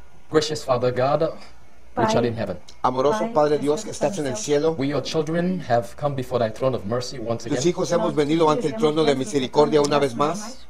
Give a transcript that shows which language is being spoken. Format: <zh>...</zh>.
<en>Gracious Father God, which are in heaven.</en> <es>Amoroso Padre Dios que estás en el cielo.</es> <en>We your children have come before thy throne of mercy once again.</en> <es>Tus hijos hemos venido ante el trono de misericordia una vez más.</es>